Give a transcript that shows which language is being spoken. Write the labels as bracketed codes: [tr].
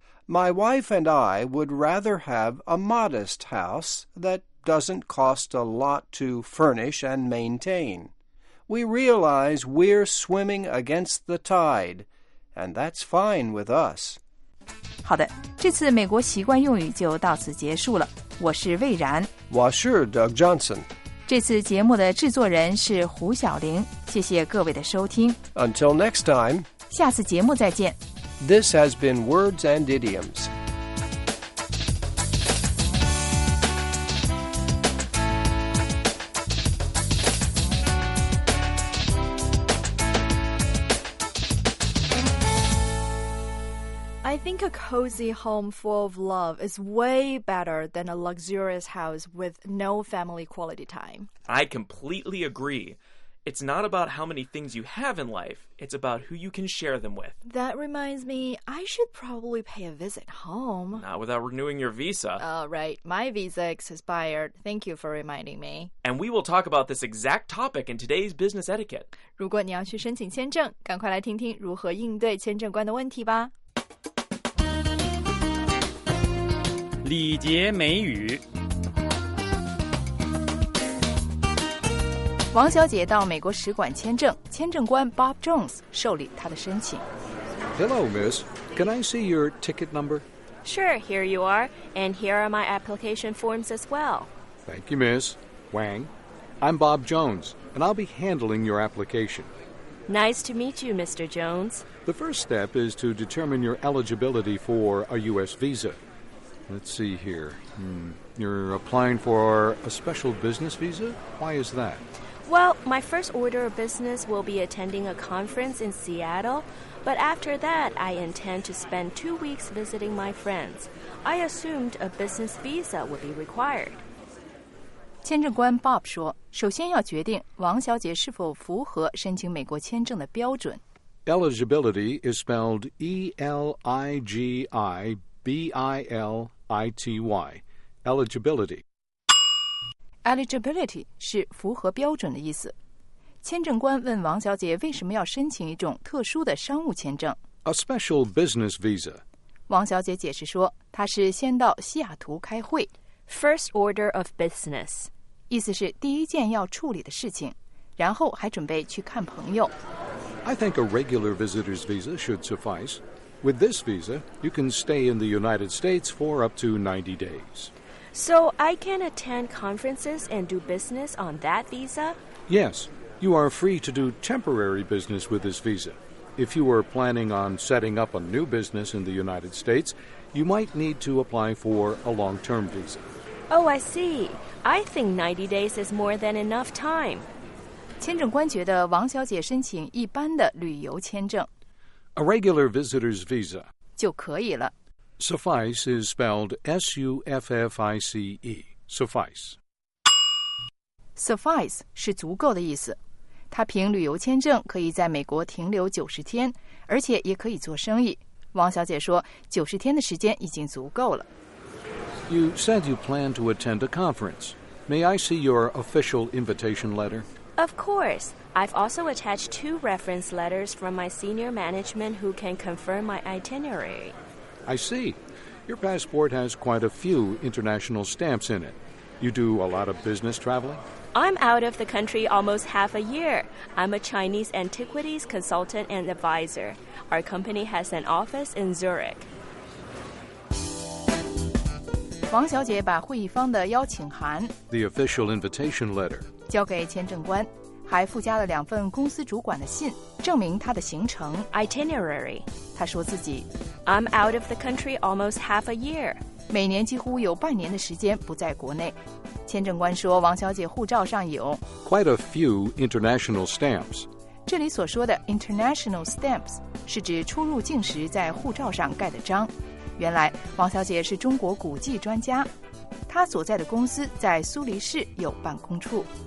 [en] My wife and I would rather have a modest house that doesn't cost a lot to furnish and maintain. We realize we're swimming against the tide, and that's fine with us. [zh] 好的，这次美国习惯用语就到此结束了。我是魏然，我是 Doug Johnson。这次节目的制作人是胡晓玲。谢谢各位的收听。 [en] Until next time. [zh] 下次节目再见。 [en] This has been Words and Idioms. I think a cozy home full of love is way better than a luxurious house with no family quality time. I completely agree. It's not about how many things you have in life. It's about who you can share them with. That reminds me, I should probably pay a visit home. Not without renewing your visa. Oh, right. My visa expired. Thank you for reminding me. And we will talk about this exact topic in today's business etiquette. [zh] 如果你要去申请签证，赶快来听听如何应对签证官的问题吧。礼节美语。王小姐到美国使馆签证，签证官 Bob Jones 受理她的申请。 [en] Hello, miss. Can I see your ticket number? Sure, here you are. And here are my application forms as well. Thank you, miss. Wang, I'm Bob Jones, and I'll be handling your application. Nice to meet you, Mr. Jones. The first step is to determine your eligibility for a U.S. visa. Let's see here. You're applying for a special business visa? Why is that? Well, my first order of business will be attending a conference in Seattle, but after that, I intend to spend 2 weeks visiting my friends. I assumed a business visa would be required. [zh] 签证官 Bob 说，首先要决定王小姐是否符合申请美国签证的标准。 [en] Eligibility is spelled E-L-I-G-I-B-I-L-I-T-Y. Eligibility. [zh] Eligibility 是符合标准的意思。签证官问王小姐为什么要申请一种特殊的商务签证。 [en] A special business visa. [zh] 王小姐解释说，她是先到西雅图开会。 [en] First order of business. [zh] 意思是第一件要处理的事情，然后还准备去看朋友。 [en] I think a regular visitor's visa should suffice. With this visa, you can stay in the United States for up to 90 days. So I can attend conferences and do business on that visa? Yes, you are free to do temporary business with this visa. If you are planning on setting up a new business in the United States, you might need to apply for a long-term visa. Oh, I see. I think 90 days is more than enough time. [zh] 签证官觉得王小姐申请一般的旅游签证。 [en] A regular visitor's visa. [zh] 就可以了。 [en] Suffice is spelled S-U-F-F-I-C-E. Suffice. [zh] Suffice 是足够的意思。他凭旅游签证可以在美国停留90天，而且也可以做生意。王小姐说，90天的时间已经足够了。 [en] You said you plan to attend a conference. May I see your official invitation letter? Of course. I've also attached 2 reference letters from my senior management who can confirm my itinerary. I see. Your passport has quite a few international stamps in it. You do a lot of business traveling? I'm out of the country almost half a year. I'm a Chinese antiquities consultant and advisor. Our company has an office in Zurich. [zh] 王小姐把会议方的邀请函 [en] The official invitation letter [zh] 交给签证官，还附加了2份公司主管的信，证明她的行程 [en] Itinerary. [zh] 她说自己 [en] I'm out of the country almost half a year. [zh] 每年几乎有半年的时间不在国内。签证官说，王小姐护照上有 [en] quite a few international stamps. [zh] 这里所说的 [en] international stamps [zh] 是指出入境时在护照上盖的章。原来王小姐是中国古迹专家，她所在的公司在苏黎世有办公处。